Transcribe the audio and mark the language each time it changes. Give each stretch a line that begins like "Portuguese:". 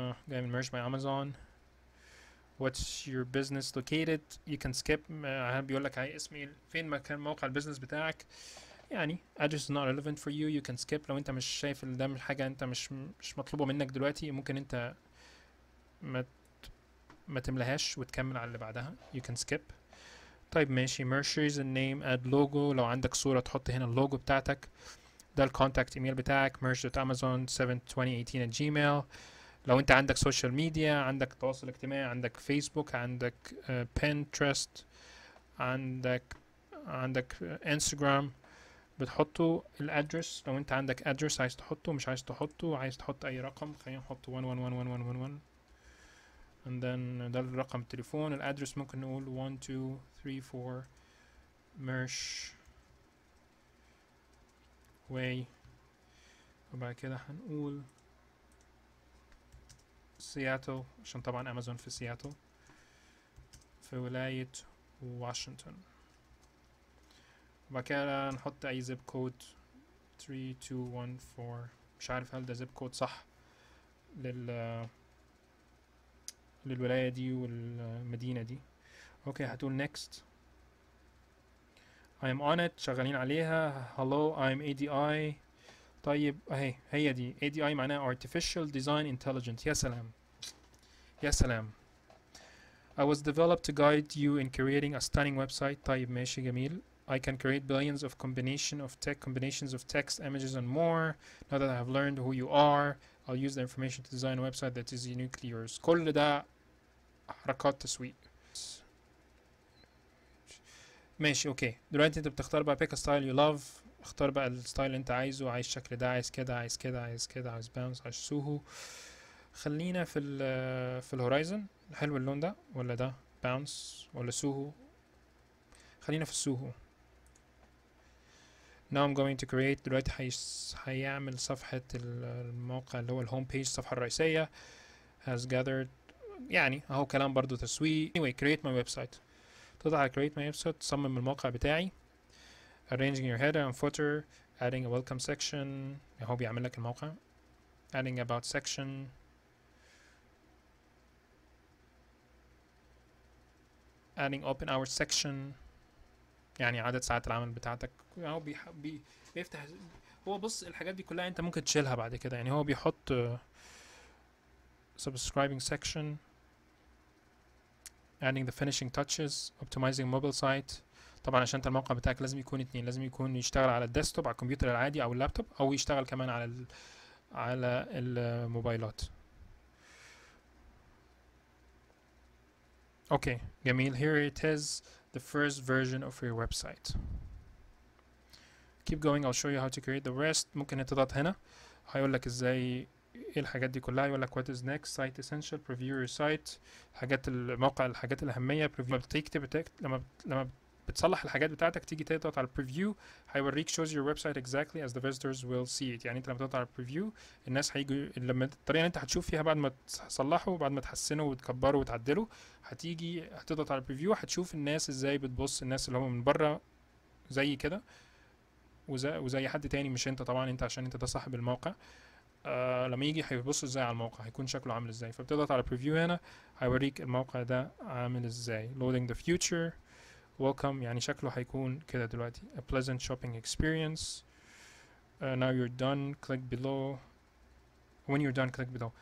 Arabic: جاي من
English: Merch by Amazon. What's your business located? You can skip.
Arabic: بيقول لك هاي اسمي فين مكان موقع البزنس بتاعك.
English: يعني address is not relevant for you. You can skip.
Arabic: لو انت مش شايف ان ده مش حاجة انت مش مطلوبة منك دلوقتي, ممكن انت ما تملهاش وتكمل على اللي بعدها.
English: You can skip.
Arabic: طيب ماشي,
English: Merchies and name, add logo.
Arabic: لو عندك صورة تحط هنا اللوجو بتاعتك. ده الكونتاكت ايميل بتاعك, merch.amazon7218@gmail. لو انت عندك سوشيال ميديا, عندك تواصل اجتماعي, عندك فيسبوك, عندك بينترست, عندك انستغرام, بتحطوا الادرس. لو انت عندك ادرس عايز تحطه, مش عايز تحطه, عايز تحط اي رقم, خلينا نحط 111111.
English: And then
Arabic: ده الرقم التليفون. الادرس ممكن نقول 1234 مرش واي. وبعد كده هنقول سياتو, عشان طبعا امازون في سياتو في ولاية واشنطن. وبعد كده نحط اي زيب كود 3214. مش عارف هل ده زيب كود صح للولاية دي والمدينة دي. اوكي, هتقول next.
English: I am on it,
Arabic: شغالين عليها.
English: Hello, I am ADI.
Arabic: طيب هي دي ADI, معناها
English: Artificial Design Intelligence.
Arabic: يا سلام يا سلام.
English: I was developed to guide you in creating a stunning website.
Arabic: طيب ماشي جميل.
English: I can create billions of combinations of text, images and more. Now that I have learned who you are, I'll use the information to design a website that is uniquely yours.
Arabic: كل ده حركات تسويق. ماشي اوكي. دلوقتي انت بتختار بقى
English: pick a style you love.
Arabic: اختار بقى الستايل اللي انت عايزه. عايز الشكل ده, عايز كده, عايز كده, عايز كده, عايز باونس, عايز سوهو. خلينا في الهورايزن. حلو اللون ده ولا ده باونس ولا سوهو. خلينا في السوهو.
English: Now I'm going to create.
Arabic: دلوقتي هيعمل صفحة الموقع اللي هو الهوم بيج, الصفحة الرئيسية.
English: has gathered,
Arabic: يعني اهو كلام برضو تسويق.
English: anyway, create my website.
Arabic: تضغط على
English: create my website,
Arabic: تصمم الموقع بتاعي.
English: arranging your header and footer, adding a welcome section.
Arabic: اهو بيعمل لك الموقع.
English: adding about section. adding open hours section,
Arabic: يعني عدد ساعات العمل بتاعتك. هو بيفتح. هو بص, الحاجات دي كلها انت ممكن تشيلها بعد كده. يعني هو بيحط
English: subscribing section, adding the finishing touches, optimizing mobile site.
Arabic: طبعا عشان انت الموقع بتاعك لازم يكون اتنين, لازم يكون يشتغل على الديسكتوب, على الكمبيوتر العادي او اللابتوب, او يشتغل كمان على الموبايلات. اوكي جميل.
English: here it is, the first version of your website. keep going, I'll show you how to create the rest.
Arabic: ممكن انت تضغط هنا, هيقول لك ازاي ايه الحاجات دي كلها.
English: يقول لك what is next, site essential, preview your site,
Arabic: حاجات الموقع, الحاجات الاهميه.
English: preview.
Arabic: لما بتصلح الحاجات بتاعتك تيجي تضغط على preview, هيوريك
English: shows your website exactly as the visitors will see it.
Arabic: يعني انت لما تضغط على preview الناس هيجوا, لما الطريقه اللي انت هتشوف فيها بعد ما تصلحه, بعد ما تحسنه وتكبره وتعدله, هتيجي هتضغط على preview, هتشوف الناس ازاي بتبص, الناس اللي هم من بره زي كده وزي حد تاني مش انت طبعا, انت عشان انت ده صاحب الموقع. لما يجي هيبص ازاي على الموقع, هيكون شكله عامل ازاي. فبتضغط على preview هنا, هيوريك الموقع ده عامل ازاي.
English: loading the future, welcome,
Arabic: يعني شكله هيكون كده دلوقتي.
English: a pleasant shopping experience. now you're done, click below. when you're done, click below.